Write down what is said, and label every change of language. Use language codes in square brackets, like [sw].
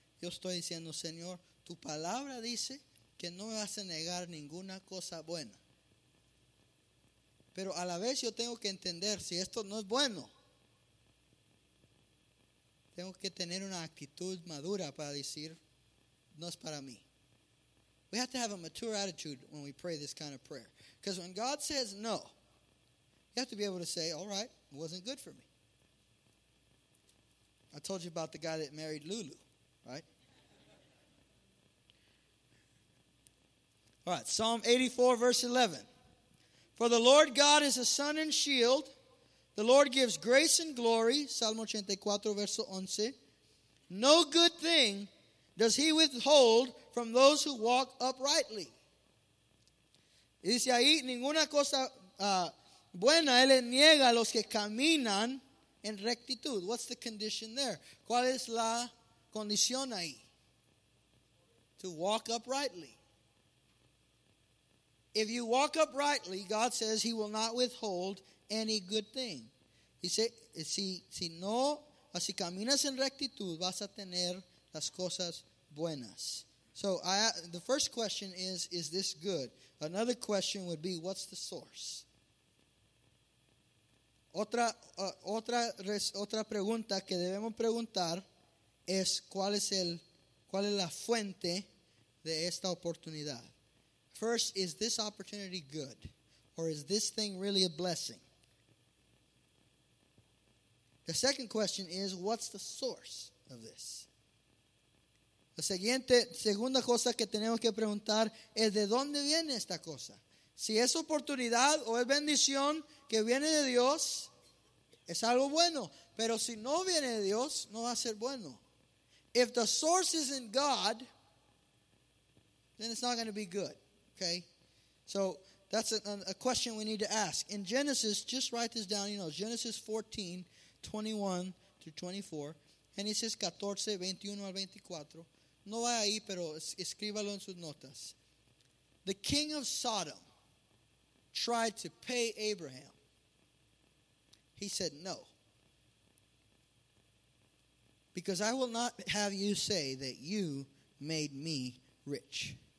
[es] Yo estoy diciendo, Señor, tu palabra dice que no me vas a negar ninguna cosa buena. Pero a la vez yo tengo que entender si esto no es bueno. Tengo que tener una actitud madura para decir, no es para mí. [en] We have to have a mature attitude when we pray this kind of prayer. Because when God says no, you have to be able to say, all right, it wasn't good for me. I told you about the guy that married Lulu, right? All right, Psalm 84, verse 11. For the Lord God is a sun and shield. The Lord gives grace and glory. Salmo 84, verse 11. No good thing does he withhold from those who walk uprightly. [es] Dice ahí, ninguna cosa buena él niega a los que caminan en rectitud. [en] What's the condition there? [es] ¿Cuál es la condición ahí? [en] To walk uprightly. If you walk uprightly, God says he will not withhold any good thing. [es] Dice, si no, si caminas en rectitud, vas a tener las cosas buenas. [en] So the first question is this good? Another question would be, what's the source? [es] Otra pregunta que debemos preguntar es, ¿cuál es la fuente de esta oportunidad? [en] First, is this opportunity good? Or is this thing really a blessing? The second question is, what's the source of this? [es] La segunda cosa que tenemos que preguntar es, ¿de dónde viene esta cosa? Si es oportunidad o es bendición que viene de Dios, es algo bueno. Pero si no viene de Dios, no va a ser bueno. [en] If the source isn't God, then it's not going to be good. Okay? So that's a question we need to ask. In Genesis, just write this down, you know, Genesis 14, 21 through 24. [es] Genesis 14, 21 al 24. No vaya ahí, pero escríbalo en sus notas. [en] The king of Sodom tried to pay Abraham. He said, no. Because I will not have you say that you made me rich.